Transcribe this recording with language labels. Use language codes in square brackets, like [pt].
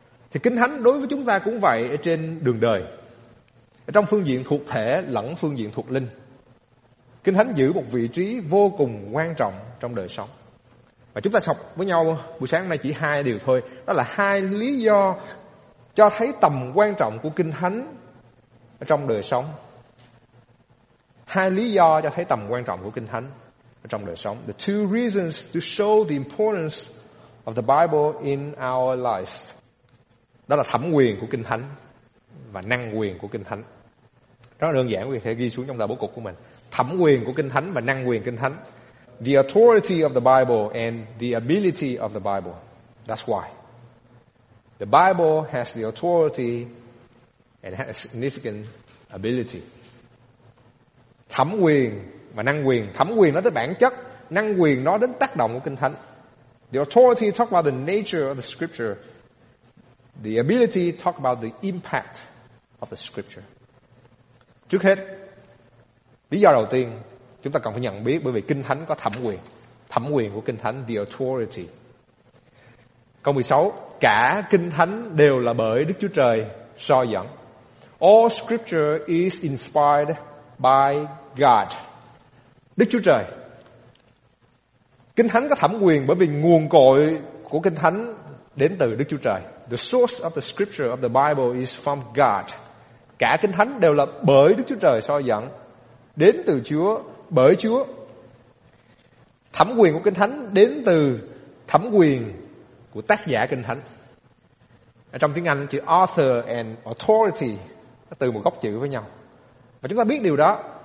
[vi] Thì Kinh Thánh đối với chúng ta cũng vậy, ở trên đường đời, trong phương diện thuộc thể lẫn phương diện thuộc linh, Kinh Thánh giữ một vị trí vô cùng quan trọng trong đời sống. Và chúng ta học với nhau buổi sáng hôm nay chỉ hai điều thôi. Đó là hai lý do cho thấy tầm quan trọng của Kinh Thánh trong đời sống. Hai lý do cho thấy tầm quan trọng của Kinh Thánh trong đời sống. [en] The two reasons to show the importance of the Bible in our life. [vi] Đó là thẩm quyền của Kinh Thánh và năng quyền của Kinh Thánh. Rất đơn giản, quý vị có thể ghi xuống trong tờ bố cục của mình. Thẩm quyền của Kinh Thánh và năng quyền Kinh Thánh. [en] The authority of the Bible and the ability of the Bible. That's why. The Bible has the authority and has significant ability. [vi] Thẩm quyền và năng quyền. Thẩm quyền nói tới bản chất, năng quyền nói đến tác động của Kinh Thánh. [en] The authority talk about the nature of the scripture. The ability talk about the impact of the scripture. [vi] Trước hết, lý do đầu tiên chúng ta cần phải nhận biết, bởi vì Kinh Thánh có thẩm quyền. Thẩm quyền của Kinh Thánh, [en] the authority. [vi] Câu 16, cả Kinh Thánh đều là bởi Đức Chúa Trời soi dẫn. [en] All scripture is inspired by God. [vi] Đức Chúa Trời. Kinh Thánh có thẩm quyền bởi vì nguồn cội của Kinh Thánh đến từ Đức Chúa Trời. [en] The source of the scripture of the Bible is from God. [vi] Cả Kinh Thánh đều là bởi Đức Chúa Trời soi dẫn, đến từ Chúa, bởi Chúa. Thẩm quyền của Kinh Thánh đến từ thẩm quyền của tác giả Kinh Thánh. Ở trong tiếng Anh, chữ author and authority nó từ một góc chữ với nhau. Và chúng ta biết điều đó.